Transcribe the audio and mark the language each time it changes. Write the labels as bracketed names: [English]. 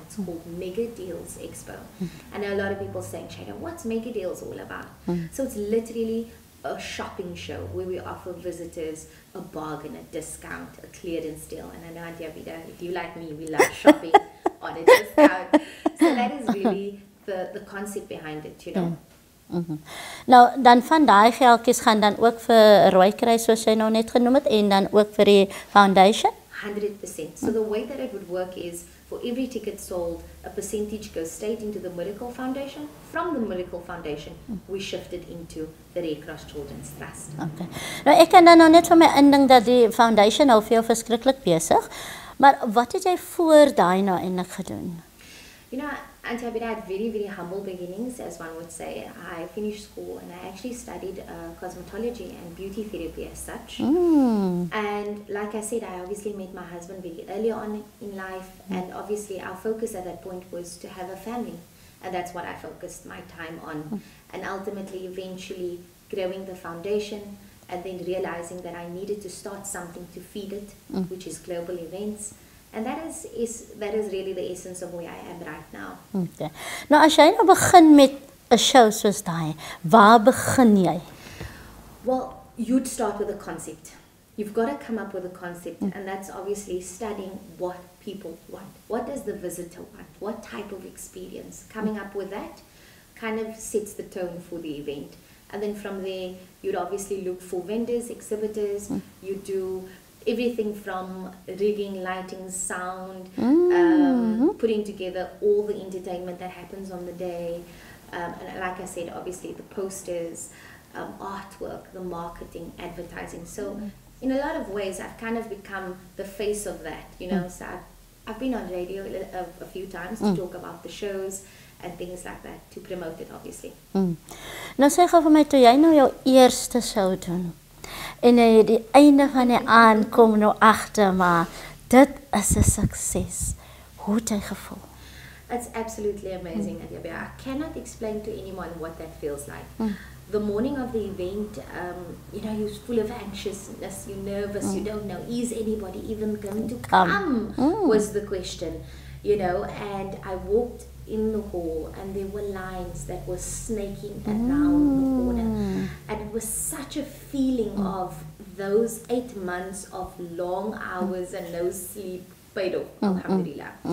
[English] It's called Mega Deals Expo. I know a lot of people say, Chaga, what's Mega Deals all about? So it's literally a shopping show where we offer visitors a bargain, a discount, a clearance deal. And I know, Auntie Abida, if you like me, we love shopping on a discount. So that is really the concept behind it, you know. Yeah. Mm-hmm. [Afrikaans] Nou, dan van daai geldjies gaan dan ook vir Rooi Kruis, soos jy nou net genoem het, en dan ook vir die foundation? 100%. [English] So the way that it would work is, for every ticket sold, a percentage goes straight into the Miracle Foundation. From the Miracle Foundation, we shift it into the Red Cross Children's Trust. [Afrikaans] Okay. Nou, ek kan dan nou net van my inding dat die foundation nou vir jou verskrikkelijk bezig, maar wat het jy voor daai nou eindig gedoen? [English] You know, Auntie Abida had very, very humble beginnings, as one would say. I finished school and I actually studied cosmetology and beauty therapy as such. And like I said, I obviously met my husband very early on in life. And obviously our focus at that point was to have a family. And that's what I focused my time on. And ultimately, eventually growing the foundation and then realizing that I needed to start something to feed it, which is global events. And that is really the essence of where I am right now. Okay. [Afrikaans] Nou, as jy nou begin met a show soos daai, waar begin jy? [English] Well, you'd start with a concept. You've got to come up with a concept, and that's obviously studying what people want. What does the visitor want? What type of experience? Coming up with that kind of sets the tone for the event. And then from there, you'd obviously look for vendors, exhibitors, you do everything from rigging, lighting, sound, putting together all the entertainment that happens on the day. And like I said, obviously the posters, artwork, the marketing, advertising. So in a lot of ways, I've kind of become the face of that, you know. So I've been on radio a few times to talk about the shows and things like that, to promote it, obviously. Now, say for me, [Afrikaans] toe jy nou jou eerste show doen? En jy het die einde van die aand kom nou agter, maar dit is 'n sukses. Hoe het jy gevoel? [English] It's absolutely amazing, Adiabia. I cannot explain to anyone what that feels like. The morning of the event, you know, you're full of anxiousness, you're nervous, you don't know, is anybody even going to come, was the question, you know. And I walked in the hall and there were lines that were snaking around the corner, and it was such a feeling of those 8 months of long hours and no sleep paid off, alhamdulillah.